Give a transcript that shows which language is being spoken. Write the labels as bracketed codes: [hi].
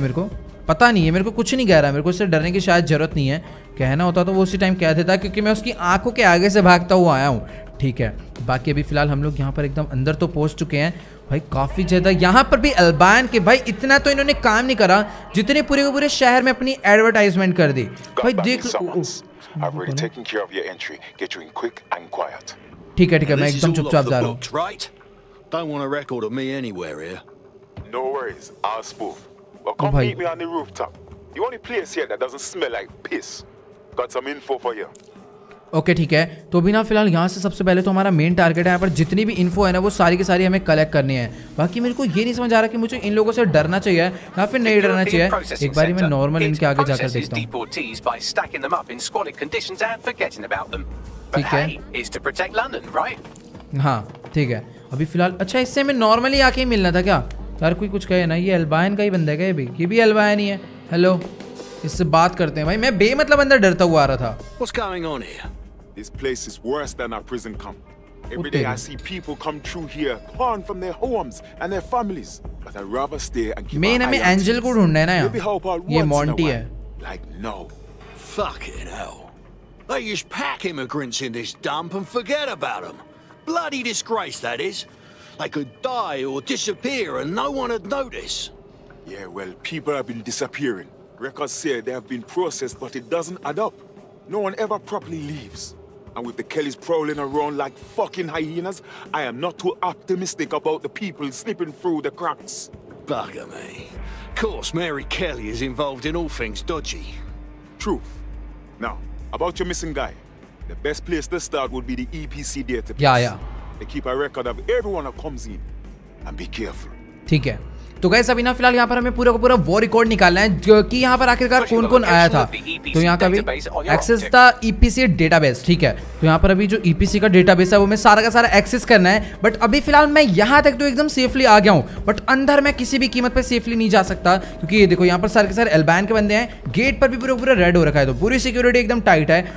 [hi] मेरे को पता नहीं है, मेरे को कुछ नहीं कह रहा है, मेरे को इससे डरने की शायद जरूरत नहीं है। कहना होता तो वो उसी टाइम कह देता क्योंकि मैं उसकी आंखों के आगे से भागता हुआ आया हूँ। ठीक है बाकी अभी फिलहाल हम लोग यहाँ पर एकदम अंदर तो पहुँच चुके हैं भाई, काफ़ी ज़्यादा यहाँ पर भी अल्बायन के भाई, इतना तो इन्होंने काम नहीं करा जितने पूरे के पूरे शहर में अपनी एडवर्टाइजमेंट कर दी भाई। [en] देख I've already taken care of your entry. Get you in quick and quiet. [hi] ठीक है मैं एकदम चुपचाप जा रहा हूँ. [en] Right? Don't want a record of me anywhere here. No worries, I'll spoof. But come meet me on the rooftop. The only place here that doesn't smell like piss. Got some info for you. [hi] Okay ठीक है तो अभी ना फिलहाल यहाँ से सबसे पहले तो हमारा मेन टारगेट है यहाँ पर, जितनी भी इन्फो है ना वो सारी की सारी हमें कलेक्ट करनी है। बाकी मेरे को ये नहीं समझ आ रहा कि मुझे इन लोगों से डरना चाहिए या फिर नहीं डरना चाहिए, एक बार मैं नॉर्मल इनके आगे जाकर देखता हूँ। ठीक है हाँ ठीक है अभी फिलहाल, अच्छा इससे हमें नॉर्मली आके ही मिलना था क्या यार? कोई कुछ कहे ना, ये अल्बायन का ही बंदा है, ये भी अल्बायन ही है। हेलो इससे बात करते हैं भाई, मैं बेमतलब अंदर डरता हुआ आ रहा था। [en] What's going on here? This place is worse than our prison camp. Every day I see people come through here, torn from their homes and their families. But I'd rather stay and keep my eyes open. [hi] मैं हमें angel को ढूंढना है ना यार। ये Monty है। [en] Like no. Fucking hell. They just pack immigrants in this dump and forget about them. Bloody disgrace that is. They could die or disappear and no one would notice. Yeah, well, people have been disappearing. Records say they have been processed, but it doesn't add up. No one ever properly leaves. And with the Kellys prowling around like fucking hyenas, I am not too optimistic about the people slipping through the cracks. Bugger me. Of course, Mary Kelly is involved in all things dodgy. Truth. Now, about your missing guy. The best place to start would be the EPC database. Yeah. They keep a record of everyone that comes in. And be careful. [hi] ठीक है तो guys अभी ना फिलहाल यहाँ पर हमें पूरा का पूरा वो रिकॉर्ड निकालना है जो कि यहाँ पर आखिरकार कौन कौन आया था। तो यहाँ का भी एक्सेस था ईपीसी डेटाबेस। ठीक है तो यहाँ पर अभी जो ईपीसी का डेटाबेस है वो मैं सारा का सारा एक्सेस करना है, बट अभी फिलहाल मैं यहाँ तक तो एकदम सेफली आ गया हूँ, बट अंदर मैं किसी भी कीमत पर सेफली नहीं जा सकता क्योंकि ये देखो यहाँ पर सारे के सारे एल्बैन के बंदे हैं, गेट पर भी पूरा रेड हो रखा है तो पूरी सिक्योरिटी एकदम टाइट है।